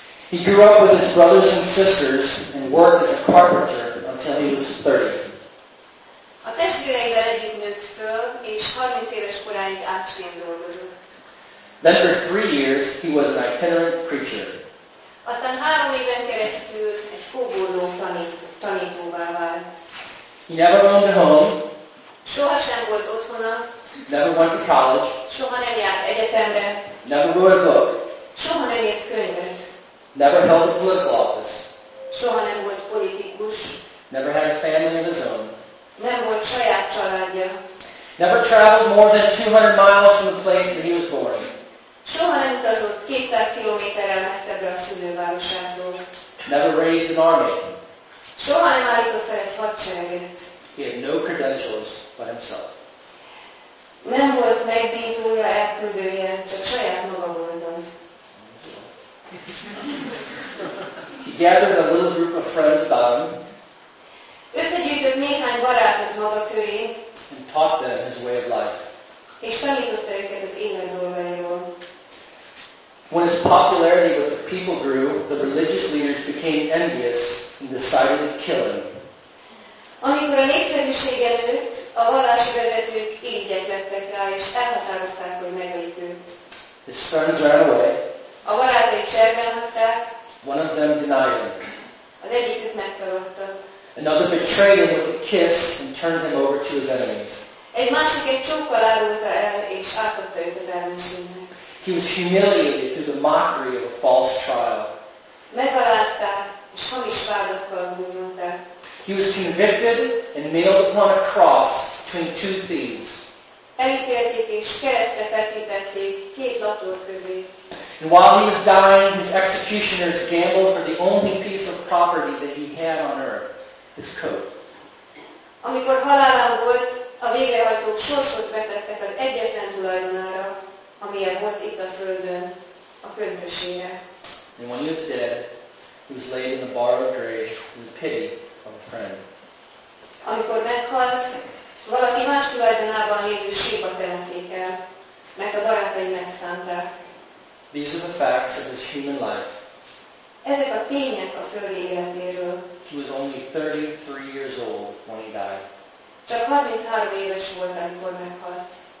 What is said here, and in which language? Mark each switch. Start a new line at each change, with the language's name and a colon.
English: He grew up with his brothers and sisters and worked as a carpenter until he was 30.
Hungarian: A testvéreivel együtt nőtt föl, és 30 éves koráig ácsként dolgozott.
English: Then for 3 years he was an itinerant preacher.
Hungarian: Aztán 3 éven keresztül egy kóborló tanítóvá vált.
English: He never owned a home.
Hungarian: Sohasem volt otthona.
English: Never went to college.
Hungarian: Soha nem járt egyetemre.
English: Never wrote a book.
Hungarian: Soha nem írt könyvet.
English: Never held a political office.
Hungarian: Soha nem volt politikus.
English: Never had a family of his own.
Hungarian: Nem volt saját családja.
English: Never traveled more than 200 miles from the place that he was born.
Hungarian: Soha nem utazott 200 kilométerrel messzebbre a szülővárosától.
English: Never raised an army.
Hungarian: Soha nem állított fel egy hadsereget.
English: He had no credentials but himself.
Hungarian: Nem volt megbízója, elküldője, csak saját maga volt az.
English: He gathered a little group of friends about him.
Hungarian: Összegyűjtött néhány barátot maga köré.
English: And taught them his way of life.
Hungarian: És tanította őket az élet dolgairól.
English: When his popularity with the people grew, the religious leaders became envious and decided to kill him.
Hungarian: Amikor a népszerűsége nőtt, a vallási vezetők irigyek lettek rá, és elhatározták, hogy megöljék őt.
English: His friends ran away.
Hungarian: A barátai cserben hagyták.
English: One of them denied him.
Hungarian: Az egyikük megtagadta.
English: Another betrayed him with a kiss and turned him over to his enemies.
Hungarian: Egy másik egy csókkal árulta el, és átadta őt az ellenségnek.
English: He was humiliated through the mockery of a false trial.
Hungarian: Megalázták, és hamis vádakkal bújulták.
English: He was convicted and nailed upon a cross between two thieves.
Hungarian: Elítélték és keresztre feszítették két latolt közé.
English: And while he was dying, his executioners gambled for the only piece of property that he had on earth, his coat.
Hungarian: Amikor halálán volt, a végrehajtók sorsot vetettek az egyetlen tulajdonára, amilyen volt itt a földön, a köntösére.
English: And when he was dead, he was laid in the borrowed grave in the pity of a friend.
Hungarian: Amikor meghalt, valaki más tulajdonában lévő sírba temették el, mert a barátai megszánták.
English: These are the facts of his human life.
Hungarian: Ezek a tények a földi életéről.
English: He was only 33 years old when he died.
Hungarian: Csak 33 éves volt, amikor meghalt.